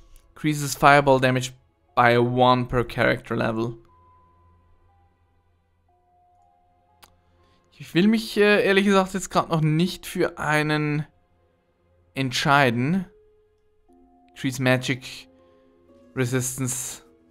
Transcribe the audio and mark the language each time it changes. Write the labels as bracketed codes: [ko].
[en] Increases Fireball Damage by 1 per Character Level. [de] Ich will mich ehrlich gesagt jetzt gerade noch nicht für einen entscheiden. [en] Increase Magic Resistance.